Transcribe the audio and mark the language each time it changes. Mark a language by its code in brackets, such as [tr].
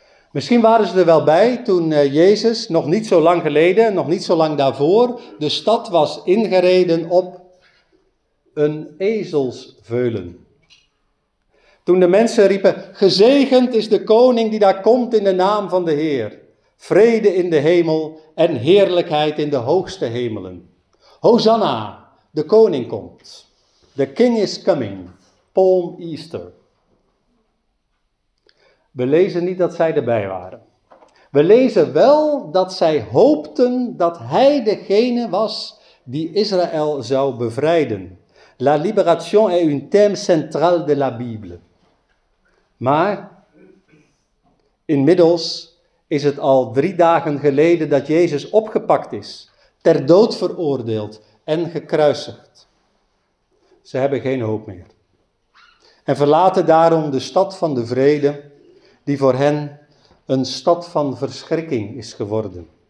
[nl] Misschien waren ze er wel bij toen Jezus, nog niet zo lang geleden, nog niet zo lang daarvoor, de stad was ingereden op een ezelsveulen. Toen de mensen riepen, gezegend is de koning die daar komt in de naam van de Heer. Vrede in de hemel en heerlijkheid in de hoogste hemelen. Hosanna, de koning komt. [en] The king is coming, Palm Easter. [nl] We lezen niet dat zij erbij waren. We lezen wel dat zij hoopten dat hij degene was die Israël zou bevrijden. [fr] La libération est un thème central de la Bible. [nl] Maar inmiddels is het al drie dagen geleden dat Jezus opgepakt is, ter dood veroordeeld en gekruisigd. Ze hebben geen hoop meer. En verlaten daarom de stad van de vrede, die voor hen een stad van verschrikking is geworden.